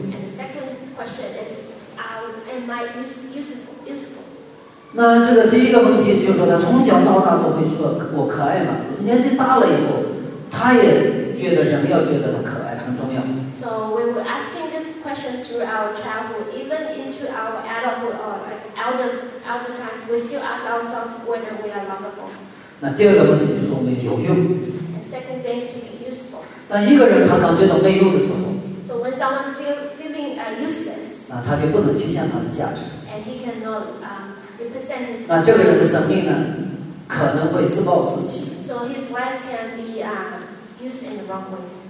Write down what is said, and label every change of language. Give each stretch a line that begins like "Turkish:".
English: And the second question is, am I useful?
Chinese: 那这个第一个问题就是说，他从小到大都会说我可爱吗？年纪大了以后，他也觉得人要觉得他可爱很重要。
English: So we were asking this question through our childhood, even into our adulthood or like elder times, we still ask ourselves whether we are lovable.
Chinese: 那第二个问题就是我们有用。
English: And second thing is to be useful.
Chinese: 但一个人常常觉得没用的时候
English: ，So when someone feeling useless，
Chinese: 那他就不能体现他的价值
English: ，And he cannot represent his。
Chinese: 那这个人的生命呢，可能会自暴自弃。
English: So his life can be used in the wrong way。